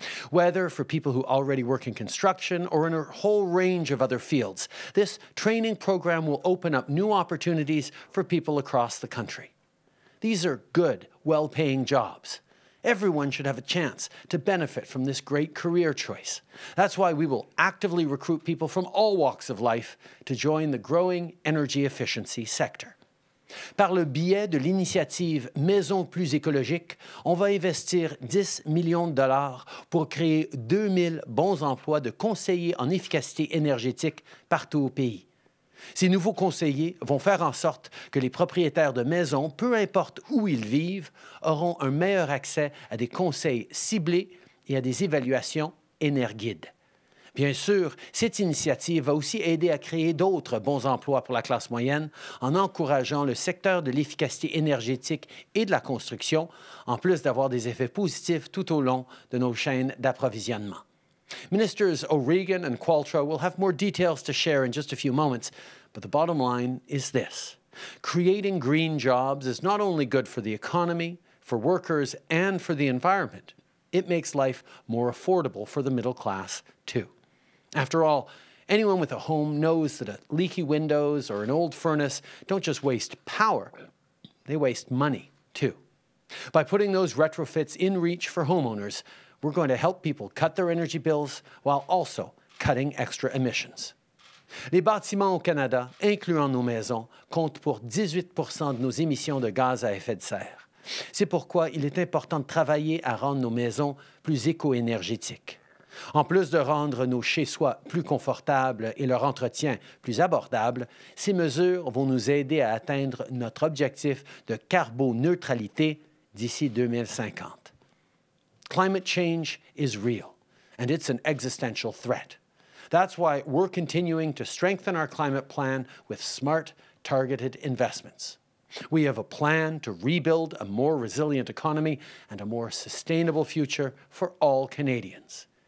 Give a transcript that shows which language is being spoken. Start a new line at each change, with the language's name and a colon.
English: Whether for people who already work in construction or in a whole range of other fields, this training program will open up new opportunities for people across the country. These are good, well-paying jobs. Everyone should have a chance to benefit from this great career choice. That's why we will actively recruit people from all walks of life to join the growing energy efficiency sector.
French: Par le biais de l'initiative Maison Plus Écologique, on va investir 10 millions de dollars pour créer 2000 bons emplois de conseillers en efficacité énergétique partout au pays. Ces nouveaux conseillers vont faire en sorte que les propriétaires de maisons, peu importe où ils vivent, auront un meilleur accès à des conseils ciblés et à des évaluations énerguides. Bien sûr, cette initiative va aussi aider à créer d'autres bons emplois pour la classe moyenne en encourageant le secteur de l'efficacité énergétique et de la construction, en plus d'avoir des effets positifs tout au long de nos chaînes d'approvisionnement.
English: Ministers O'Regan and Qualtro will have more details to share in just a few moments, but the bottom line is this. Creating green jobs is not only good for the economy, for workers, and for the environment. It makes life more affordable for the middle class, too. After all, anyone with a home knows that leaky windows or an old furnace don't just waste power, they waste money, too. By putting those retrofits in reach for homeowners, we're going to help people cut their energy bills while also cutting extra emissions.
French: Les bâtiments au Canada, incluant nos maisons, comptent pour 18% de nos émissions de gaz à effet de serre. C'est pourquoi il est important de travailler à rendre nos maisons plus éco-énergétiques. En plus de rendre nos chez-soi plus confortables et leur entretien plus abordable, ces mesures vont nous aider à atteindre notre objectif de carboneutralité d'ici 2050.
English: Climate change is real, and it's an existential threat. That's why we're continuing to strengthen our climate plan with smart, targeted investments. We have a plan to rebuild a more resilient economy and a more sustainable future for all Canadians.